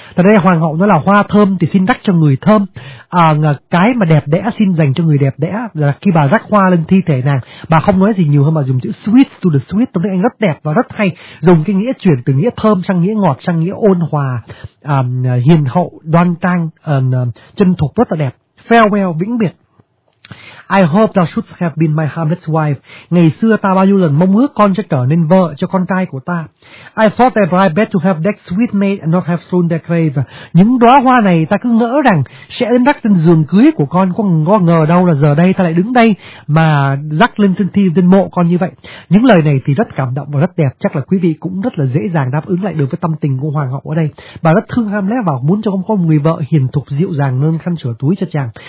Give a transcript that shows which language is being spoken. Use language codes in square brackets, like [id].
[vi] Tại đây hoàng hậu nói là hoa thơm thì xin rắc cho người thơm, cái mà đẹp đẽ xin dành cho người đẹp đẽ. Là khi bà rắc hoa lên thi thể nàng, bà không nói gì nhiều hơn mà dùng chữ [en] sweet to the sweet, [vi] trong tiếng Anh rất đẹp và rất hay, dùng cái nghĩa chuyển từ nghĩa thơm sang nghĩa ngọt, sang nghĩa ôn hòa, hiền hậu, đoan trang, chân thục, rất là đẹp. [en] Farewell, [vi] vĩnh biệt. [en] I hope thou shouldst have been my Hamlet's wife. [vi] Ngày xưa ta bao nhiêu lần mong ước con sẽ trở nên vợ cho con trai của ta. [en] I thought that I'd better to have decked sweet maid and not have strewn their grave. [vi] Những đóa hoa này ta cứ ngỡ rằng sẽ đến rắc trên giường cưới của con, có ngờ đâu là giờ đây ta lại đứng đây mà rắc lên trên thi trên mộ con như vậy. Những lời này thì rất cảm động và rất đẹp, chắc là quý vị cũng rất là dễ dàng đáp ứng lại được với tâm tình của hoàng hậu ở đây. Bà rất thương Hamlet và muốn cho con có người vợ hiền thục dịu dàng nâng khăn sửa túi cho chàng.